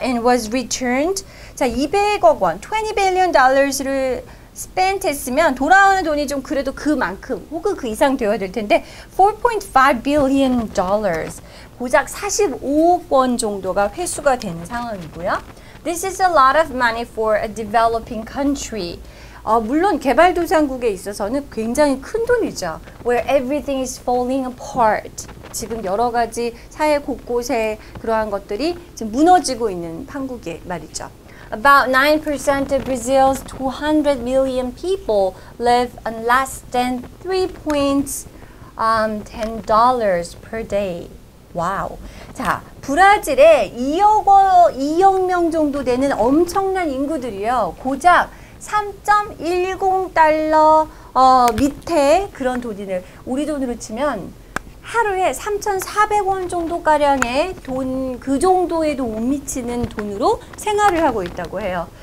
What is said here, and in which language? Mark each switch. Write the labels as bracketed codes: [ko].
[en] And was returned. [ko] 자, 200억 원, $20 billion를 spent 했으면 돌아오는 돈이 좀 그래도 그만큼 혹은 그 이상 되어야 될 텐데 $4.5 billion. 고작 45억 원 정도가 회수가 되는 상황이고요. [en] This is a lot of money for a developing country. [ko] 물론 개발도상국에 있어서는 굉장히 큰 돈이죠. [en] Where everything is falling apart. [ko] 지금 여러 가지 사회 곳곳에 그러한 것들이 지금 무너지고 있는 판국에 말이죠. [en] About 9% of Brazil's 200 million people live on less than $3.10 per day. 와우. [ko] 자, 브라질에 2억 명 정도 되는 엄청난 인구들이요. 고작 3.10달러 밑에 그런 돈을 우리 돈으로 치면 하루에 3,400원 정도가량의 돈, 그 정도에도 못 미치는 돈으로 생활을 하고 있다고 해요.